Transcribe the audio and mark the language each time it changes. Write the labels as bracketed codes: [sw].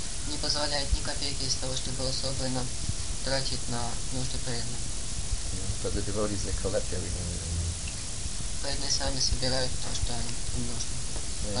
[ru] Не позволяет ни копейки из того, что было собрано, тратить на нужды преданных. [en] But the devotees, they collect everything that they need. [ru] Преданные сами собирают то, что им нужно.